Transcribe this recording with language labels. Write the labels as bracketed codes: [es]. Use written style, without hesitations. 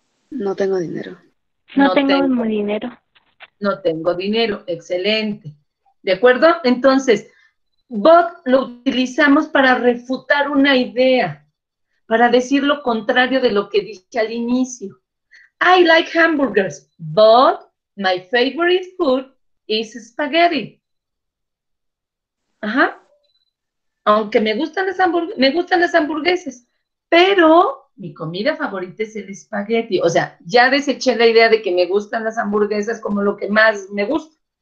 [es] No tengo dinero. No tengo dinero. No tengo dinero, excelente. ¿De acuerdo? Entonces, bot lo utilizamos para refutar una idea, para decir lo contrario de lo que dije al inicio. [en] I like hamburgers, but my favorite food is spaghetti. Ajá. [es] Aunque me gustan las hamburguesas, pero mi comida favorita es el spaghetti. O sea, ya deseché la idea de que me gustan las hamburguesas como lo que más me gusta.